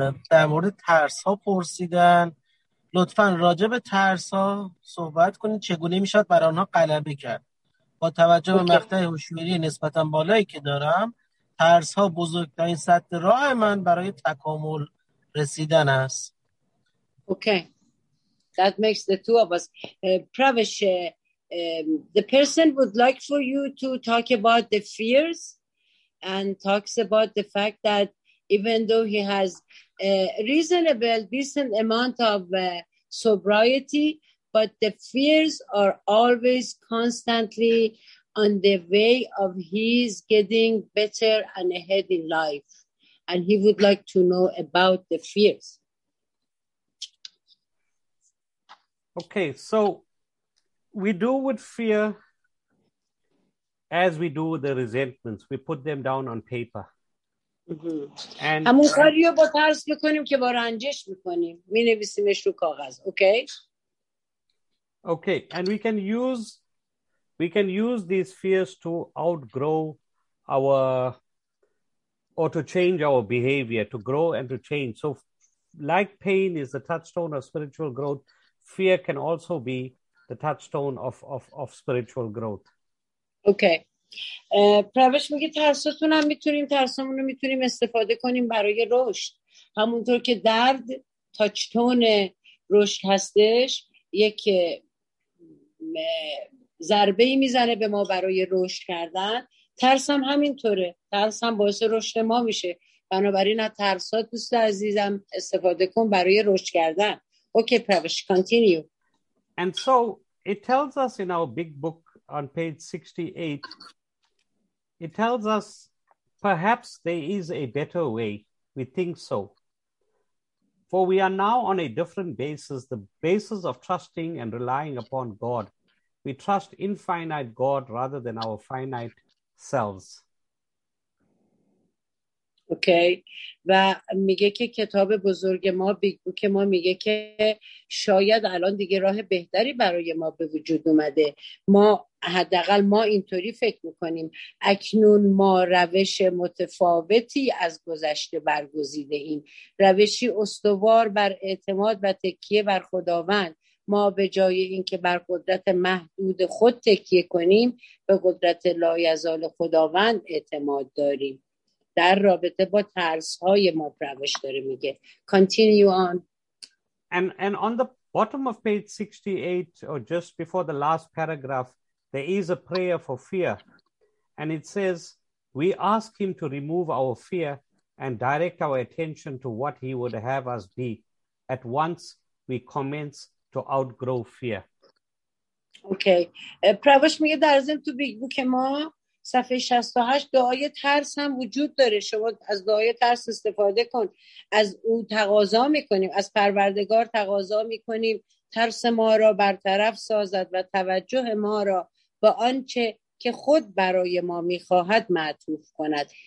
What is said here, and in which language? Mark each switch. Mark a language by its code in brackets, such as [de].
[fa] در مورد ترس ها پرسیدن، لطفا راجع به ترس ها صحبت کنید، چگونه میشد برای آنها غلبه کرد؟ با توجه به مقطع هوشیاری نسبتا بالایی که دارم، ترس ها بزرگترین سد راه من برای تکامل رسیدن است. [en] Okay, that makes the two of us. Pravesh, the person would like for you to talk about the fears and talks about the fact that even though he has a reasonable, decent amount of sobriety, but the fears are always constantly on the way of his getting better and ahead in life. And he would like to know about the fears. Okay, so we do with fear as we do with the resentments. We put them down on paper. [fa] همون کاری رو با ترس میکنیم که با رنجش میکنیم، می نویسیمش رو کاغذ. [en] Okay. And we can use these fears to outgrow our or to change our behavior, to grow and to change. So like pain is the touchstone of spiritual growth, fear can also be the touchstone of spiritual growth. Okay. [fa] پروش میگه ترساتون هم میتونیم، ترسامون رو میتونیم استفاده کنیم برای رشد. همونطور که درد تاچتون رشد هستش، یک ضربه میزنه به ما برای رشد کردن، ترس هم همینطوره، ترس هم باعث رشد ما میشه. بنابراین از ترسات دوست عزیزم استفاده کن برای رشد کردن. [en] Okay Pravesh, continue. And so it tells us in our big book on page 68, it tells us perhaps there is a better way. We think so. For we are now on a different basis, the basis of trusting and relying upon God. We trust infinite God rather than our finite selves. Okay. [fa] و میگه که کتاب بزرگ ما، بیگ بوک ما، میگه که شاید الان دیگه راه بهتری برای ما به وجود اومده. ما حداقل ما اینطوری فکر میکنیم، اکنون ما روش متفاوتی از گذشته برگزیده ایم، روشی استوار بر اعتماد و تکیه بر خداوند. ما به جای اینکه بر قدرت محدود خود تکیه کنیم، به قدرت لایزال خداوند اعتماد داریم. در رابطه با ترس های ما روش داره میگه. [en] Continue on. And on the bottom of page 68, or just before the last paragraph, there is a prayer for fear. And it says, we ask him to remove our fear and direct our attention to what he would have us be. At once, we commence to outgrow fear. Okay. [fa] پروش میگه در ضمن تو بیگ بوک ما صفحه 68 دعای ترس هم وجود داره. شما از دعای ترس استفاده کن. از او تقاضا میکنیم. از پروردگار تقاضا میکنیم. ترس ما را برطرف سازد و توجه ما را به آنچه که خود برای ما میخواهد معطوف کند.